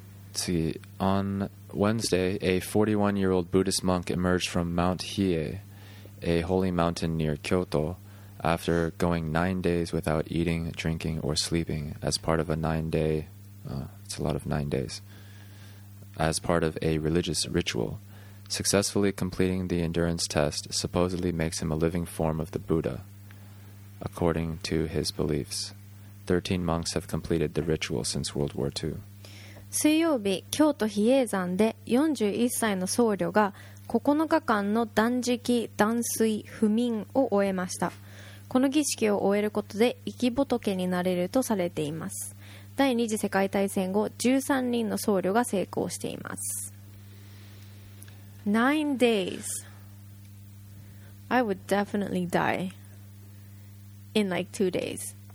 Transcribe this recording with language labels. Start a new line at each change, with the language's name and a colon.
English: Let's see, on Wednesday, a 41-year-old Buddhist monk emerged from Mount Hiei, a holy mountain near Kyoto, after going 9 days without eating, drinking, or sleeping as part of a nine-day, it's a lot of 9 days, as part of a religious ritual. Successfully completing the endurance test supposedly makes him a living form of the Buddha, according to his beliefs. 13 monks have completed the ritual since World War II.
Japanese: 水曜日、京都比叡山で41歳の僧侶が9日間の断食、断水、不眠を終えました。この儀式を終えることで生き仏になれるとされています。第二次世界大戦後、13人の僧侶が成功しています。
English: 9 days I would definitely die in like 2 days